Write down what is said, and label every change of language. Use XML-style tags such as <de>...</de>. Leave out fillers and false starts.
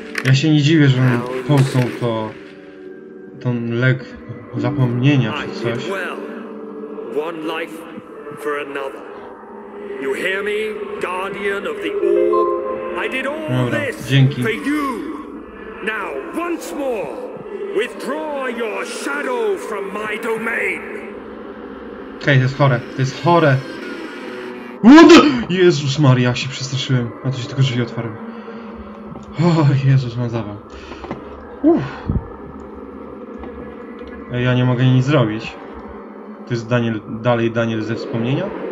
<pl>Ja się nie dziwię, że on posłał to... ten lek zapomnienia czy coś.</pl> <en>One life for another. You hear me, guardian of the orb? I did all this for you. Now, once more, withdraw your shadow from my domain.</en> <pl>Okej, to jest chore, to jest chore. Jezus Maria, się przestraszyłem. A to się tylko drzwi otwarły. O, Jezus, mam zawał. Ja nie mogę nic zrobić. To jest Daniel, dalej Daniel ze wspomnienia?</pl>